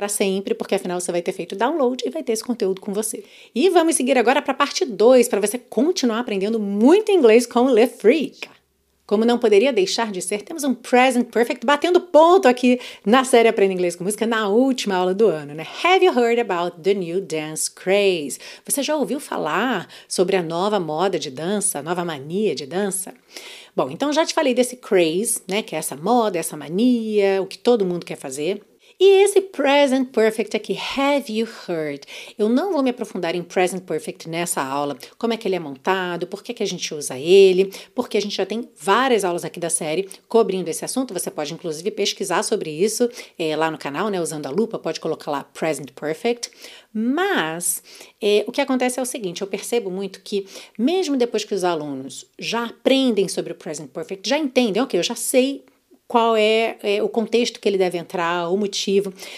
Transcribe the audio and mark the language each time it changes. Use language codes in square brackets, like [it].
[pt] Para sempre, porque afinal você vai ter feito download e vai ter esse conteúdo com você. E vamos seguir agora para a parte 2, para você continuar aprendendo muito inglês com o LeFreak. Como não poderia deixar de ser, temos um present perfect batendo ponto aqui na série Aprenda Inglês com Música na última aula do ano, né? [en] Have you heard about the new dance craze? [pt] Você já ouviu falar sobre a nova moda de dança, a nova mania de dança? Bom, então já te falei desse craze, né? Que é essa moda, essa mania, o que todo mundo quer fazer. E esse present perfect aqui, [en] have you heard? [pt] Eu não vou me aprofundar em present perfect nessa aula. Como é que ele é montado, por que a gente usa ele, porque a gente já tem várias aulas aqui da série cobrindo esse assunto. Você pode, inclusive, pesquisar sobre isso lá no canal, né, usando a lupa, pode colocar lá present perfect. Mas o que acontece é o seguinte, eu percebo muito que mesmo depois que os alunos já aprendem sobre o present perfect, já entendem, ok, eu já sei qual é o contexto que ele deve entrar, o motivo.